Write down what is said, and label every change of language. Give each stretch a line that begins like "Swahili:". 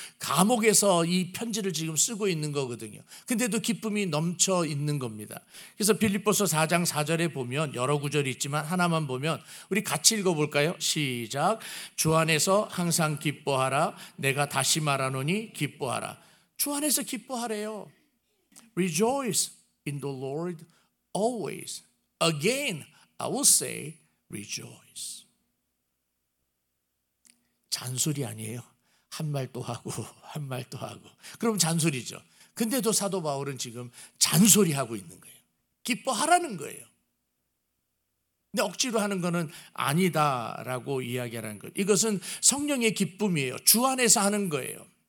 Korean: 감옥에서 이 편지를 지금 쓰고 있는 거거든요. 그런데도 기쁨이 넘쳐 있는 겁니다. 그래서 빌립보서 4장 4절에 보면 여러 구절이 있지만 하나만 보면 우리 같이 읽어볼까요? 시작. 주 안에서 항상 기뻐하라. 내가 다시 말하노니 기뻐하라. 주 안에서 기뻐하래요.
English: Rejoice in the Lord always. Again, I will say rejoice.
Korean: 잔소리 아니에요. 한 말 또 하고 한 말 또 하고. 그럼 잔소리죠. 근데도 사도 바울은 지금 잔소리하고 있는 거예요. 기뻐하라는 거예요. 근데 억지로 하는 거는 아니다라고 이야기하는 것. 이것은 성령의 기쁨이에요. 주 안에서 하는 거예요.